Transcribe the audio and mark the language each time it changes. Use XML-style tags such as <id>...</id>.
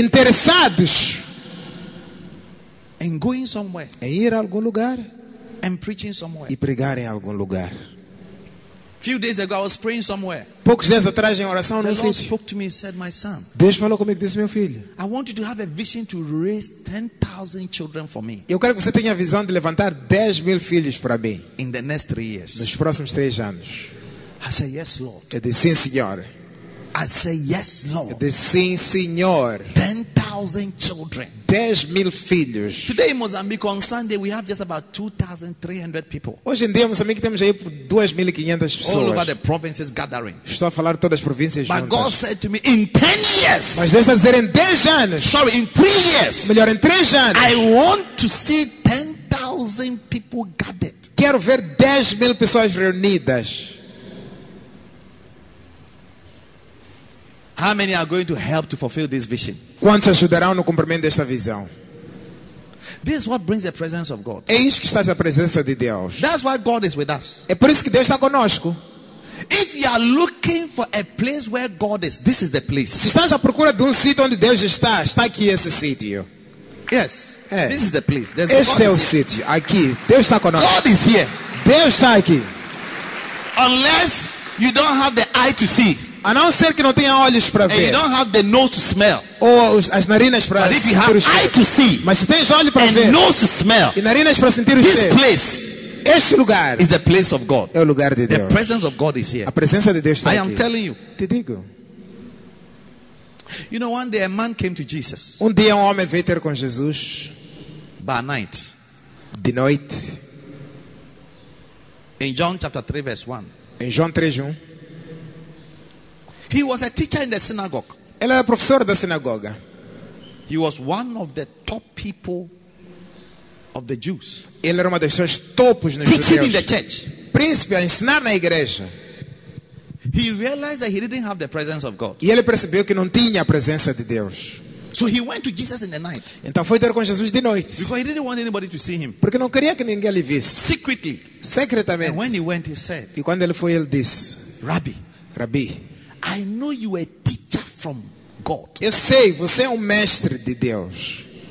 <pt>Interessados.</pt> <en>In going somewhere.</en> <pt>Em ir a algum lugar.</pt> <en>And preaching somewhere.</en> <pt>E pregar em algum lugar.</pt> <en>Few days ago I was praying somewhere.</en> <pt>Poucos dias atrás em oração no sítio.</pt> <en>The Lord spoke to me and said, "My son."</en> <pt>Deus falou comigo, disse, meu filho.</pt> <en>I want you to have a vision to raise 10,000 children for me.</en> <pt>Eu quero que você tenha a visão de levantar 10,000 filhos para mim.</pt> <en>In the next 3 years.</en> <pt>Nos próximos 3 anos.</pt> <en>I said, "Yes, Lord."</en> <pt>Eu disse, sim, Senhor.</pt> <en>I said, "Yes, Lord."</en> <pt>Eu disse, sim, Senhor.</pt> <en>10,000 children.</en> <pt>10,000 filhos.</pt> <en>Today in Mozambique on Sunday we have just about 2,300 people.</en> <pt>Hoje em dia em Moçambique temos aí 2,500 pessoas.</pt> <en>All over the provinces gathering.</en> <pt>Estou a falar todas as províncias juntas.</pt> <en>But God said to me, in 10 years.</en> <pt>Mas Deus está a dizer em 10 anos.</pt> <en>Sorry, in 3 years.</en> <pt>Melhor, em 3 anos.</pt> <en>I want to see 10,000 people gathered.</en> <pt>Quero ver 10,000 pessoas reunidas.</pt> <en>How many are going to help to fulfill this vision?</en> <pt>Quantos ajudarão no cumprimento desta visão?</pt> <en>This is what brings the presence of God.</en> <pt>É isso que está a presença de Deus.</pt> <en>That's why God is with us.</en> <pt>É por isso que Deus está conosco.</pt> <en>If you are looking for a place where God is, this is the place.</en> <pt>Se estás à procura de sítio onde Deus está, está aqui esse sítio.</pt> <en>Yes.</en> <pt>É.</pt> <en>This is the place. There's</en> <pt>este God é o sítio. Aqui. Deus está conosco.</pt> <en>God is here.</en> <pt>Deus está aqui.</pt> <en>Unless you don't have the eye to see.</en> <pt>A não ser que não tenha olhos para ver.</pt> <en>And you don't have the nose to smell.</en> <pt>Ou as narinas para sentir.</pt> <en>But if you have eye to see.</en> <pt>Mas se tens olhos para ver.</pt> <en>And nose to smell.</en> <pt>E narinas para sentir.</pt> <en>This place.</en> <pt>Este lugar.</pt> <en>Is the place of God.</en> <pt>É o lugar de Deus.</pt> <en>The presence of God is here.</en> <pt>A presença de Deus está aqui.</pt> <en>I am telling you.</en> <pt>Te digo.</pt> <en>You know, one day a man came to Jesus.</en> <pt>Um dia um homem veio ter com Jesus.</pt> <en>By night.</en> <pt>De noite.</pt> <en>In John chapter 3 verse 1.</en> <pt>Em João 3</pt> <en>verse</en> <pt>1.</pt> <en>He was a teacher in the synagogue.</en> <pt>Ele era professor da sinagoga.</pt> <en>He was one of the top people of the Jews.</en> <pt>Ele era uma das pessoas topos nos</pt> <en>teaching</en> <pt>judeus.</pt> <en>In the church.</en> <pt>Príncipe a ensinar na igreja.</pt> <en>He realized that he didn't have the presence of God.</en> <pt>E ele percebeu que não tinha a presença de Deus.</pt> <en>So he went to Jesus in the night.</en> <pt>Então foi ter com Jesus de noite.</pt> <en>Because he didn't want anybody to see him.</en> <pt>Porque não queria que ninguém lhe visse.</pt> <en>Secretly.</en> <pt>Secretamente.</pt> <en>And when he went, he said.</en> <pt>E quando ele foi, ele disse.</pt> <en>Rabbi.</en> <pt>Rabbi.</pt> <en>I know you are a teacher from God.</en> <pt>Eu sei, você é mestre de Deus.</pt>